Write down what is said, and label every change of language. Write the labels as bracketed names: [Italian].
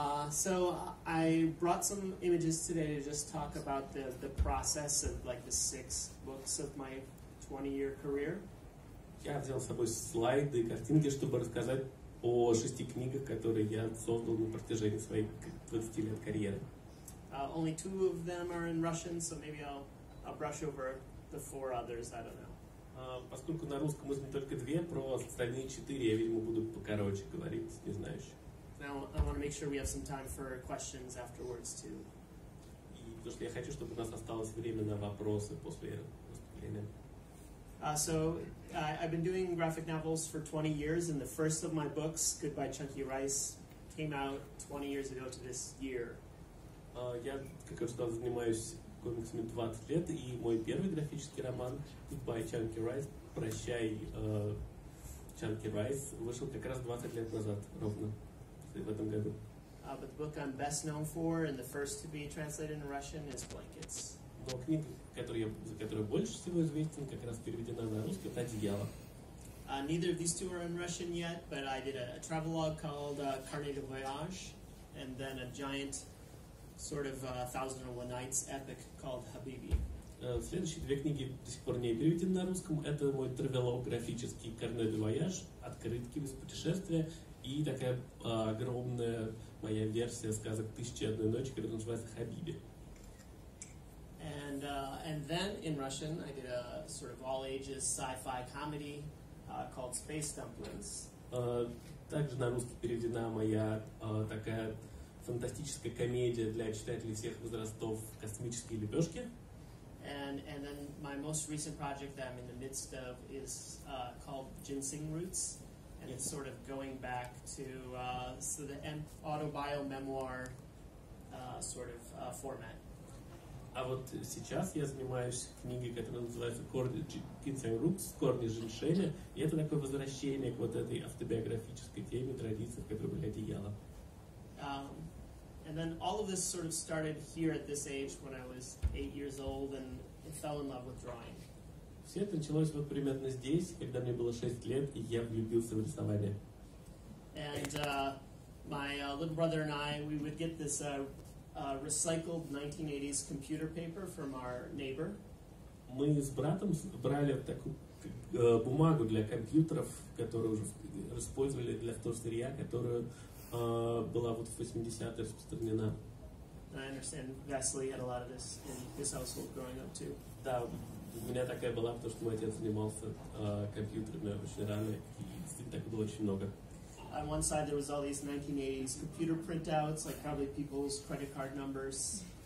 [English] So I brought some images today to just talk about the process of like the six books of my 20-year career. [Russian] Я взял с собой слайды и картинки, чтобы рассказать о шести книгах, которые я создал на протяжении своей 20 лет карьеры. [English] Only two of them are in Russian, so maybe I'll brush over the four others, I don't know. [Russian] Поскольку на русском изменю только две, про остальные четыре я, видимо, буду покороче говорить, не знаю еще. [English] Now I want to make sure we have some time for questions afterwards too. [Russian] И потому что я хочу, чтобы у нас осталось время на вопросы после выступления. [English] So I've been doing graphic novels for 20 years, and the first of my books, Goodbye Chunky Rice, came out 20 years ago to this year. [Russian] Я как раз занимаюсь комиксами 20 лет, и мой первый графический роман Goodbye Chunky Rice, прощай Chunky Rice, вышел как раз 20 лет назад ровно. [English] But the book I'm best known for and the first to be translated in Russian is Blankets. [Russian] Но книга, за которую больше всего известен, как раз переведена на русский, это «Одеяло». [English] Neither of these two are in Russian yet, but I did a travelogue called «Carnet de Voyage», and then a giant sort of Thousand and One Nights epic called «Хабиби». [Russian] Следующие две книги до сих пор не переведены на русском. Это мой travelogue графический «Carnet de Voyage», «Открытки из путешествия», и такая огромная моя версия сказок «Тысяча и одной ночи», которая называется «Хабиби». [English] And then in Russian I did a sort of all ages sci-fi comedy called «Space Dumplings». [Russian] Также на русский переведена моя такая фантастическая комедия для читателей всех возрастов «Космические лепешки». [English] And then my most recent project that I'm in the midst of is called «Ginseng Roots». And it's sort of going back to so the autobio-memoir sort of format. [Russian] А вот сейчас я занимаюсь книгой, которая называется «Ginseng Roots», «Корни женьшеня». И это такое возвращение к вот этой автобиографической теме, традиции, в которой были «Одеяла». [English] And then all of this sort of started here at this age when I was 8 years old and fell in love with drawing. [Russian] Все это началось вот примерно здесь, когда мне было 6 лет, и я влюбился в рисование. [English] And my little brother and I, we would get this recycled 1980s computer paper from our neighbor. [Russian] Мы с братом брали такую бумагу для компьютеров, которую уже использовали для вторсырья, которая была вот в 80-е распространена. [English] I understand Vasily had a lot of this in his household growing up too. [Russian] Да. У меня такая была, потому что мой отец занимался компьютерами очень рано, и так было очень много. [English] On one side there was all these 1980s computer printouts, like probably people's credit card numbers.